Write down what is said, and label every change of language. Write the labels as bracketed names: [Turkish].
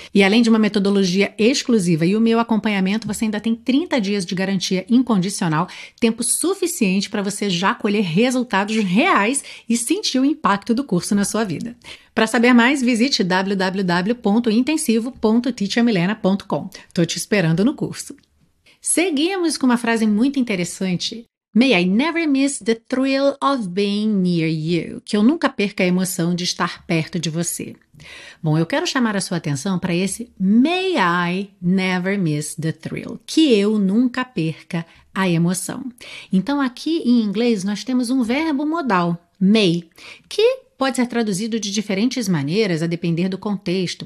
[Portuguese] E além de uma metodologia exclusiva e o meu acompanhamento, você ainda tem 30 dias de garantia incondicional, tempo suficiente para você já colher resultados reais e sentir o impacto do curso na sua vida. Para saber mais, visite www.intensivo.teachermilena.com. Estou te esperando no curso. Seguimos com uma frase muito interessante. [English] May I never miss the thrill of being near you. [Portuguese] Que eu nunca perca a emoção de estar perto de você. Bom, eu quero chamar a sua atenção para esse [English] may I never miss the thrill. [Portuguese] Que eu nunca perca a emoção. Então, aqui em inglês, nós temos um verbo modal, may, que pode ser traduzido de diferentes maneiras, a depender do contexto.